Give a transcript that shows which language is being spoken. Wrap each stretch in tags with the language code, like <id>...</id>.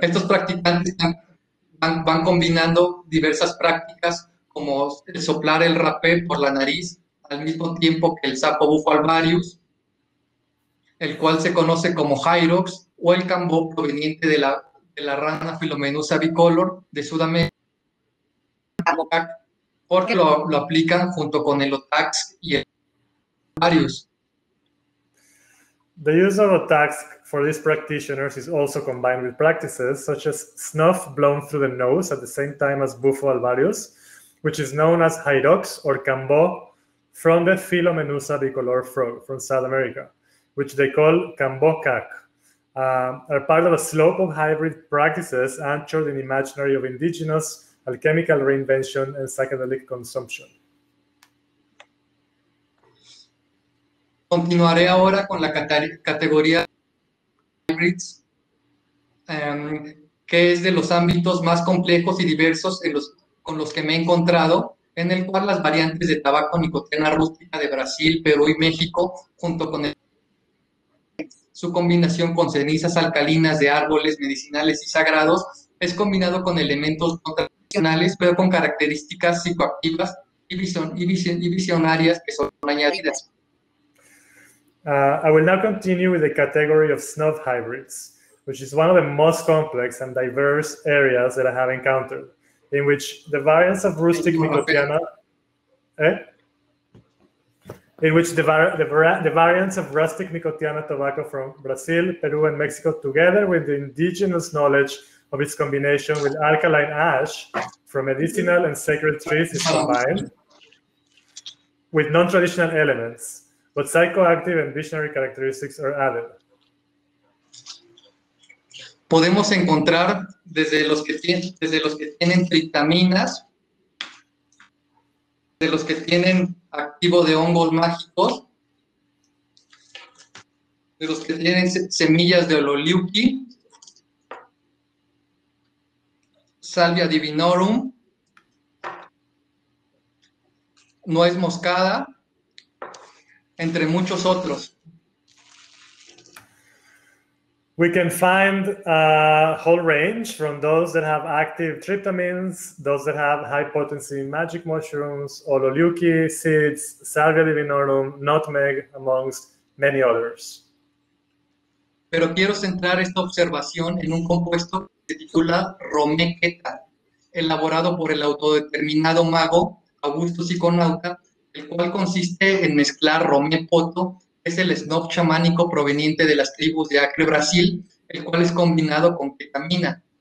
<es>Estos practicantes van combinando diversas prácticas, como el soplar el rapé por la nariz, al mismo tiempo que el sapo Buffo Alvarius, el cual se conoce como Hyrox, o el cambó proveniente de la rana Filomenusa bicolor de Sudamérica, porque lo aplican junto con el otax y el varios.</es> <en>The use of otax for these practitioners is also combined with practices such as snuff blown through the nose at the same time as Buffo Alvarius, which is known as Hyrox or cambó from the Filomenusa bicolor frog from South America, which they call cambocac. Are part of a slope of hybrid practices anchored in the imaginary of indigenous alchemical reinvention and psychedelic consumption.</en> <es>Continuaré ahora con la categoría hybrids, que es de los ámbitos más complejos y diversos con los que me he encontrado, en el cual las variantes de tabaco nicotina rústica de Brasil, Perú y México, junto con el su combinación con cenizas alcalinas de árboles medicinales y sagrados es combinado con elementos no tradicionales, pero con características psicoactivas y visionarias que son añadidas.</es> <en>I will now continue with the category of snuff hybrids, which is one of the most complex and diverse areas that I have encountered, in which the variants of rustic nicotiana. In which the variants of rustic nicotiana tobacco from Brazil, Peru, and Mexico, together with the indigenous knowledge of its combination with alkaline ash from medicinal and sacred trees, is combined with non-traditional elements, but psychoactive and visionary characteristics are added.</en> <es>Podemos encontrar desde los que tienen triptaminas, de los que tienen activo de hongos mágicos, de los que tienen semillas de Ololiuki, Salvia divinorum, nuez moscada, entre muchos otros.</es> <en>We can find a whole range from those that have active tryptamines, those that have high potency magic mushrooms, Ololiuki seeds, Salvia divinorum, nutmeg, amongst many others.</en> <es>Pero quiero centrar esta observación en un compuesto que se titula Romequeta, elaborado por el autodeterminado mago Augusto Siconauta, el cual consiste en mezclar romepoto. Es el snob chamánico proveniente de las tribus de Acre, Brasil, el cual es combinado con ketamina.</es>